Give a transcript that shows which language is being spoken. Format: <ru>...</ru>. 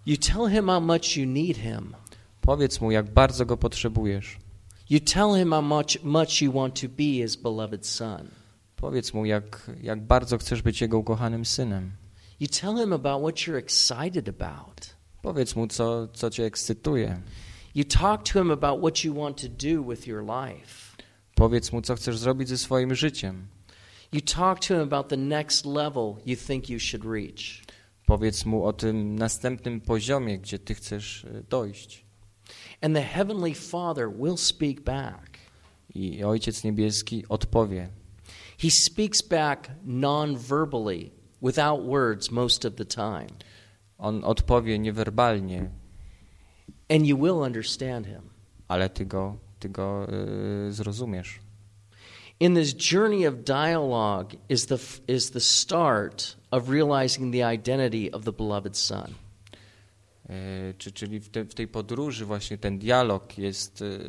<en>You tell him how much you need him.</en> <pl>Powiedz mu, jak bardzo go potrzebujesz.</pl> <en>You tell him how much you want to be his beloved son.</en> <pl>Powiedz mu, jak bardzo chcesz być jego ukochanym synem.</pl> <en>You tell him about what you're excited about.</en> <pl>Powiedz mu, co cię ekscytuje.</pl> <en>You talk to him about what you want to do with your life.</en> <pl>Powiedz mu, co chcesz zrobić ze swoim życiem.</pl> <en>You talk to him about the next level you think you should reach.</en> <pl>Powiedz mu o tym następnym poziomie, gdzie ty chcesz dojść.</pl> <en>And the Heavenly Father will speak back.</en> <pl>I Ojciec Niebieski odpowie.</pl> <en>He speaks back non-verbally, without words most of the time.</en> <pl>On odpowie niewerbalnie.</pl> <en>And you will understand him.</en> <pl>Ale ty go zrozumiesz.</pl> <en>In this journey of dialogue is the start of realizing the identity of the beloved son.</en> <pl>Czyli w tej podróży właśnie ten dialog jest</pl>